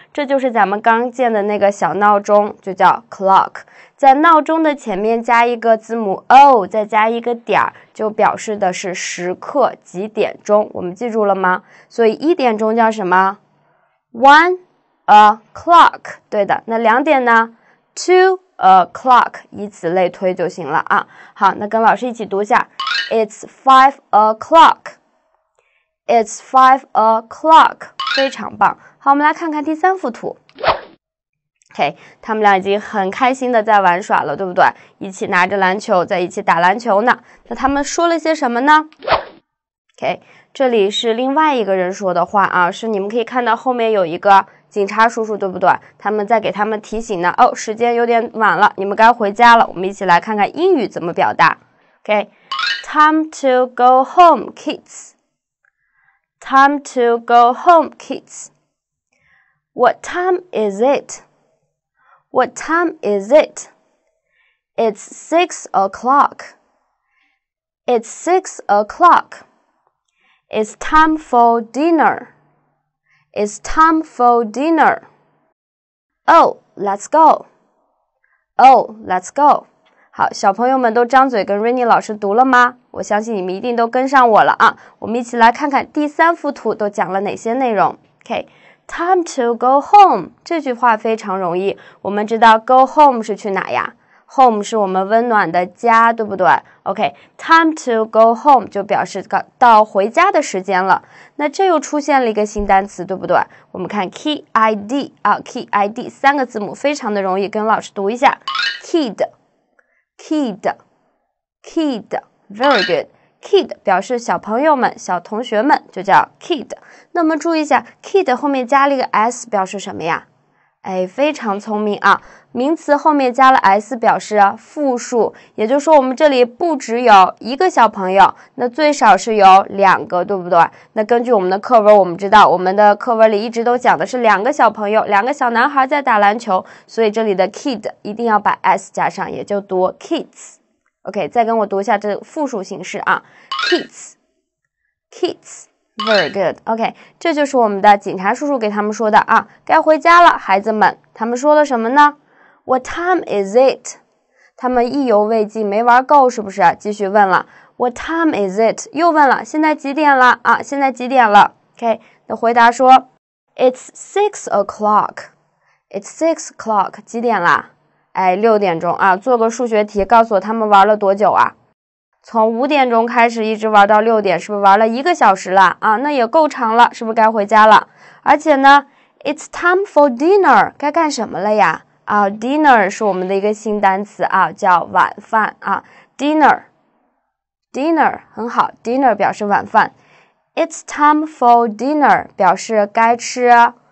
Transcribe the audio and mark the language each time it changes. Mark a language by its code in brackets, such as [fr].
[zh] 这就是咱们刚见的那个小闹钟，就叫 clock， 在闹钟的前面加一个字母 o， 再加一个点，就表示的是时刻，几点钟，我们记住了吗？所以一点钟叫什么？1 o'clock， 对的。那两点呢？ 2 o'clock， 以此类推就行了啊。好，那跟老师一起读一下， It's 5 o'clock。 [en] It's 5 o'clock，非常棒。 [zh] 好，我们来看看第三幅图。OK， 他们俩已经很开心的在玩耍了，对不对？一起拿着篮球，在一起打篮球呢。那他们说了些什么呢？ OK， 这里是另外一个人说的话啊，是你们可以看到后面有一个警察叔叔，对不对？他们在给他们提醒呢。哦，时间有点晚了，你们该回家了。我们一起来看看英语怎么表达。 [en] OK， time to go home, kids. Time to go home, kids. What time is it? What time is it? It's 6 o'clock. It's 6 o'clock. It's time for dinner. It's time for dinner. Oh, let's go. Oh, let's go. [zh] 好，小朋友们都张嘴跟 Rainy 老师读了吗？我相信你们一定都跟上我了啊！我们一起来看看第三幅图都讲了哪些内容。 OK， time to go home 这句话非常容易。我们知道 go home 是去哪呀？home 是我们温暖的家，对不对？ OK， time to go home 就表示到回家的时间了。那这又出现了一个新单词，对不对？我们看 kid 啊， kid 三个字母非常的容易，跟老师读一下 kid， kid， kid。 [en] Very good. [zh] Kid 表示小朋友们，小同学们，就叫 kid。那么注意一下， kid 后面加了一个 s 表示什么呀？哎，非常聪明啊，名词后面加了 s 表示复数，也就是说我们这里不只有一个小朋友，那最少是有两个，对不对？那根据我们的课文，我们知道我们的课文里一直都讲的是两个小朋友，两个小男孩在打篮球，所以这里的 kid 一定要把 s 加上，也就读 kids。 OK， 再跟我读一下这复数形式啊 ，kids，kids， very good。 OK， 这就是我们的警察叔叔给他们说的啊，该回家了，孩子们。他们说了什么呢 ？ What time is it？他们意犹未尽，没玩够是不是？继续问了 ， What time is it？又问了，现在几点了啊？现在几点了 ？OK， 那回答说 ， It's 6 o'clock。 [en] It's 6 o'clock，几点啦？ [zh] 哎，六点钟啊，做个数学题，告诉我他们玩了多久啊？从五点钟开始一直玩到六点，是不是玩了一个小时了啊？那也够长了，是不是该回家了？而且呢 ， It's time for dinner，该干什么了呀？啊 ，dinner 是我们的一个新单词啊，叫晚饭啊 ，dinner，dinner 很好 ，dinner 表示晚饭 ， It's time for dinner 表示该吃。